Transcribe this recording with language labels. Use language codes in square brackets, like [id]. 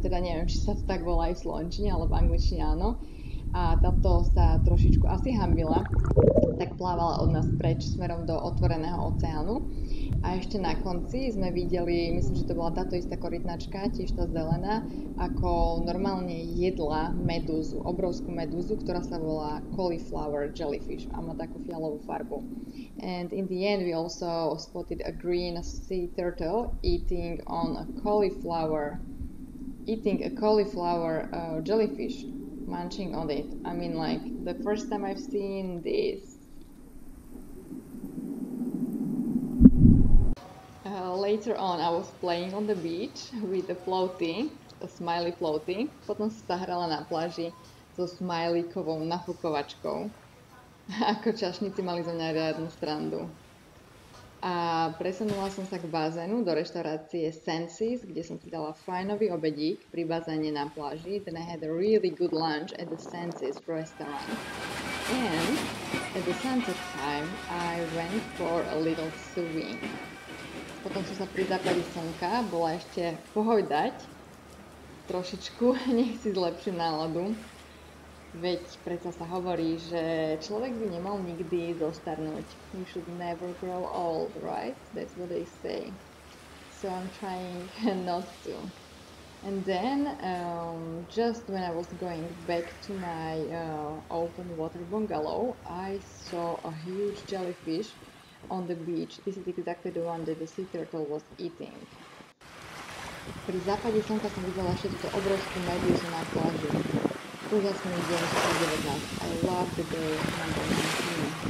[sk] Teda neviem, či sa to tak volá aj v slovenčine, ale v angličtine áno. A táto sa trošičku asi hanbila, tak plávala od nás preč smerom do otvoreného oceánu. A ešte na konci sme videli, myslím, že to bola táto istá korytnačka, tiež tá zelená, ako normálne jedla medúzu, obrovskú medúzu, ktorá sa volá cauliflower jellyfish a má takú fialovú farbu. [en] And in the end we also spotted a green sea turtle eating a cauliflower jellyfish, munching on it. I mean, like, the first time I've seen this. Later on I was playing on the beach with a floaty, a smiley floaty. [sk] Potom som sa hrala na pláži so smileykovou nafukovačkou. Ako čašníci mali zo mňa riadnu strandu. A presunula som sa k bazénu do reštaurácie Senses, kde som si dala fajnový obedík pri bazéne na pláži. [en] Then I had a really good lunch at the Senses restaurant. And at the sunset time I went for a little swim. [sk] Potom som sa pri západe slnka bola ešte pohojdať trošičku, nech si zlepšiť náladu. Veď predsa sa hovorí, že človek by nemal nikdy zostarnúť. [en] You should never grow old, right? That's what they say. So I'm trying not to. And then, just when I was going back to my open water bungalow, I saw a huge jellyfish on the beach. This is exactly the one that the sea turtle was eating. [sk] Pri západe slnka som videla všetko obrovskú medúzu na pláži. Úžasný deň 19. [en] I love the day number 19.